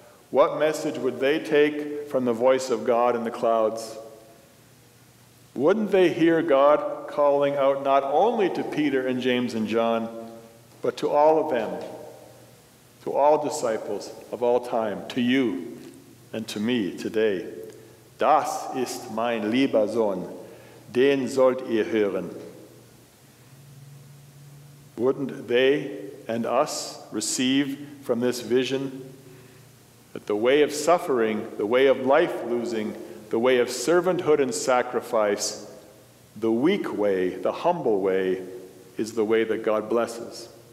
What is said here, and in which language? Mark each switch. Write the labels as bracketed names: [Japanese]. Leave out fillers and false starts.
[English] What message would they take from the voice of God in the clouds? Wouldn't they hear God calling out not only to Peter and James and John, but to all of them, to all disciples of all time, to you and to me today? [German] "Das ist mein lieber Sohn, den sollt ihr hören." [English] Wouldn't they and us receive from this vision that the way of suffering, the way of life losing, the way of servanthood and sacrifice, the weak way, the humble way, is the way that God blesses?